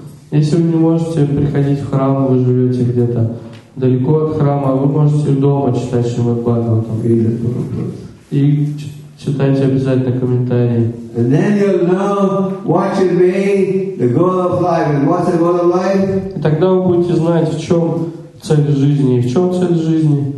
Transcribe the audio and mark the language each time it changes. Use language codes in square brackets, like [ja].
[ru] Если вы не можете приходить в храм, вы живете где-то далеко от храма, вы можете дома читать Шримад Бхагаватам. И читайте обязательно комментарии. [en] And then you'll know what should be the goal of life. And what's the goal of life? [ru] И тогда вы будете знать, в чем цель жизни. И в чем цель жизни?